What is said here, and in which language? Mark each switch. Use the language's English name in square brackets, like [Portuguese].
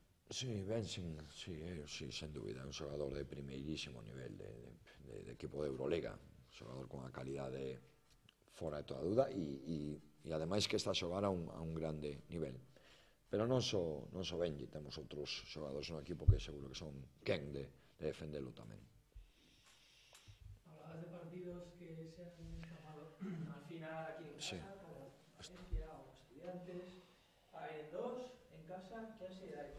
[Spanish] Sí, Benzing, sí, sin duda, un jugador de primerísimo nivel de equipo de Euroliga, un jugador con la calidad de [Galician] fora de toda duda y ademais que está a xogar a un grande nivel. Pero non só Benji, temos outros xogadores no equipo que seguro que son quen de defenderlo tamén. [Spanish] Hablabas de partidos que se han escapado al final aquí en casa, sí. Como Valencia o Estudiantes. Hay dos en casa, ¿qué ansiedad hay?